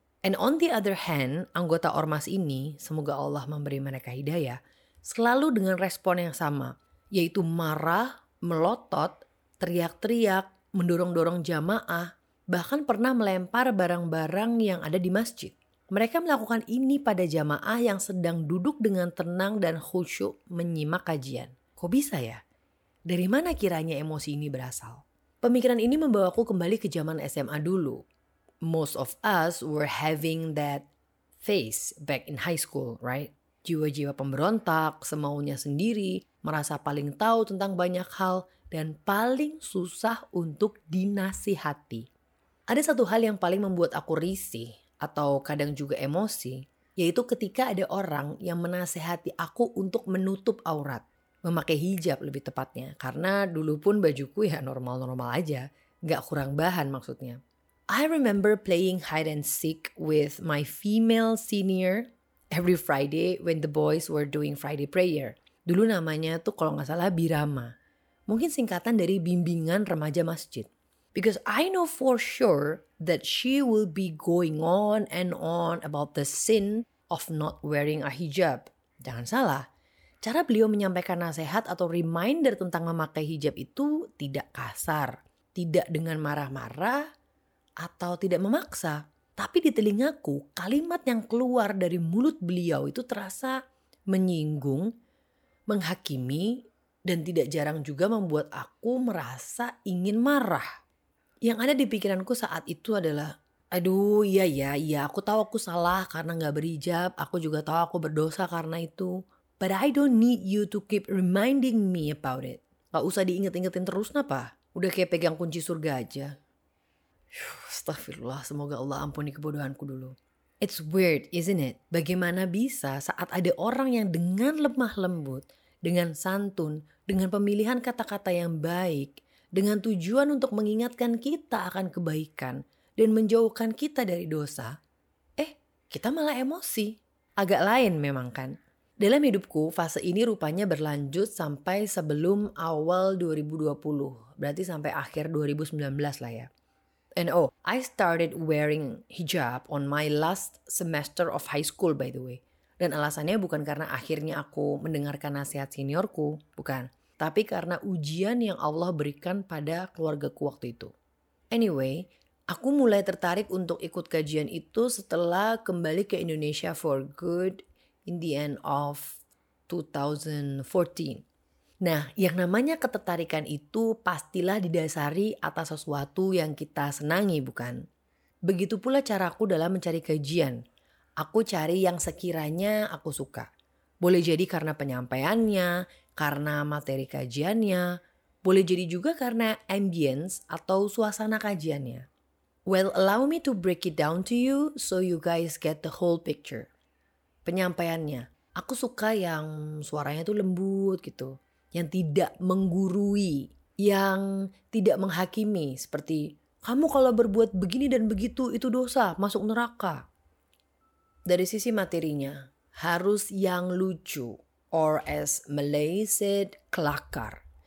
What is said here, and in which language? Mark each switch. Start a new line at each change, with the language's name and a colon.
English: And on the other hand,
Indonesian: anggota ormas ini, semoga Allah memberi mereka hidayah, selalu dengan respon yang sama, yaitu marah, melotot, teriak-teriak, mendorong-dorong jamaah, bahkan pernah melempar barang-barang yang ada di masjid. Mereka melakukan ini pada jamaah yang sedang duduk dengan tenang dan khusyuk menyimak kajian. Kok bisa ya? Dari mana kiranya emosi ini berasal? Pemikiran ini membawaku kembali ke zaman SMA dulu.
English: Most of us were having that phase back in high school, right?
Indonesian: Jiwa-jiwa pemberontak, semaunya sendiri, merasa paling tahu tentang banyak hal, dan paling susah untuk dinasihati. Ada satu hal yang paling membuat aku risih, atau kadang juga emosi, yaitu ketika ada orang yang menasihati aku untuk menutup aurat. Memakai hijab lebih tepatnya, karena dulu pun bajuku ya normal-normal aja, gak kurang bahan maksudnya.
English: I remember playing hide and seek with my female senior every Friday when the boys were doing Friday prayer.
Indonesian: Dulu namanya tuh kalau gak salah Birama, mungkin singkatan dari bimbingan remaja masjid.
English: Because I know for sure that she will be going on and on about the sin of not wearing a hijab.
Indonesian: Jangan salah. Cara beliau menyampaikan nasihat atau reminder tentang memakai hijab itu tidak kasar, tidak dengan marah-marah, atau tidak memaksa. Tapi di telingaku, kalimat yang keluar dari mulut beliau itu terasa menyinggung, menghakimi, dan tidak jarang juga membuat aku merasa ingin marah. Yang ada di pikiranku saat itu adalah, aduh iya, aku tahu aku salah karena gak berhijab, aku juga tahu aku berdosa karena itu.
English: But I don't need you to keep reminding me about it.
Indonesian: Gak usah diinget-ingetin terus, napa? Udah kayak pegang kunci surga aja. Astagfirullah, semoga Allah ampuni kebodohanku dulu.
English: It's weird, isn't it?
Indonesian: Bagaimana bisa saat ada orang yang dengan lemah lembut, dengan santun, dengan pemilihan kata-kata yang baik, dengan tujuan untuk mengingatkan kita akan kebaikan dan menjauhkan kita dari dosa, kita malah emosi. Agak lain memang kan. Dalam hidupku, fase ini rupanya berlanjut sampai sebelum awal 2020. Berarti sampai akhir 2019 lah ya.
English: And oh, I started wearing hijab on my last semester of high school by the way.
Indonesian: Dan alasannya bukan karena akhirnya aku mendengarkan nasihat seniorku, bukan. Tapi karena ujian yang Allah berikan pada keluargaku waktu itu. Anyway, aku mulai tertarik untuk ikut kajian itu setelah kembali ke Indonesia
English: for good in the end of 2014.
Indonesian: Nah, yang namanya ketertarikan itu pastilah didasari atas sesuatu yang kita senangi, bukan? Begitu pula caraku dalam mencari kajian. Aku cari yang sekiranya aku suka. Boleh jadi karena penyampaiannya, karena materi kajiannya, boleh jadi juga karena ambience atau suasana kajiannya.
English: Well, allow me to break it down to you so you guys get the whole picture.
Indonesian: Penyampaiannya, aku suka yang suaranya tuh lembut gitu, yang tidak menggurui, yang tidak menghakimi, seperti kamu kalau berbuat begini dan begitu itu dosa, masuk neraka. Dari sisi materinya, harus yang lucu,
English: or as Malay said,
Indonesian: kelakar.